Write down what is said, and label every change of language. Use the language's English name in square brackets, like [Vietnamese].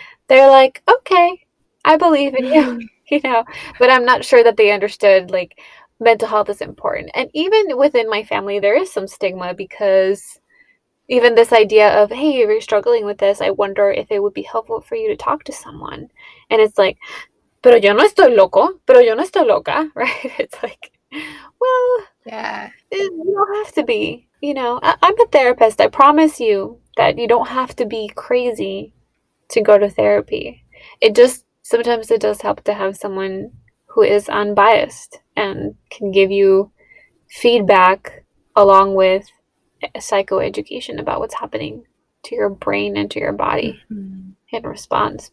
[English] They're like, okay, I believe in you, you know, but I'm not sure that they understood, like, mental health is important. And even within my family, there is some stigma, because even this idea of, hey, you're struggling with this, I wonder if it would be helpful for you to talk to someone. And it's like, [Spanish] pero yo no estoy loco, pero yo no estoy loca, [English] right? It's like, well, yeah, you don't have to be, you know. I'm a therapist. I promise you that you don't have to be crazy to go to therapy. It just, sometimes it does help to have someone who is unbiased and can give you feedback along with psychoeducation about what's happening to your brain and to your body in response.